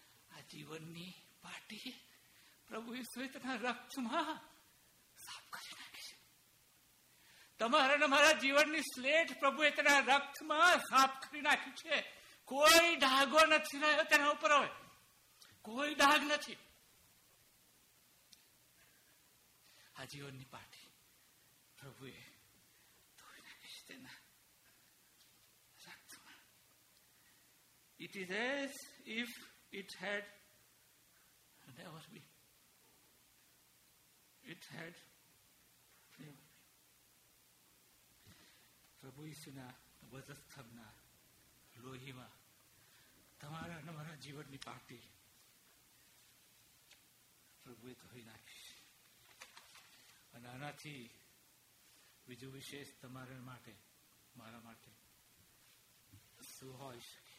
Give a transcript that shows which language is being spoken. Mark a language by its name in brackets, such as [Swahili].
[Gujarati] આ જીવનની પાટી પ્રભુ ઈસુએ તમારા રક્તમાં સાફ કરી નાખી છે, તમારા મારા જીવનની સ્લેટ પ્રભુએ તેના રક્તમાં સાફ કરી નાખી છે. કોઈ ડાઘો નથી રહ્યો તેના ઉપર, હવે કોઈ ડાઘ નથી. આ જીવનની પાટી પ્રભુએ ધોઈ નાખી છે તેના રક્તમાં. [English] It is as if it had never been, it had never been. [Gujarati] પ્રભુ ઈસુના વધસ્તંભના લોહીમાં તમારા અને મારા જીવનની પાટી પ્રભુએ ધોઈ નાખી છે. અને આનાથી બીજું વિશેષ તમારા માટે, મારા માટે શું હોય છે,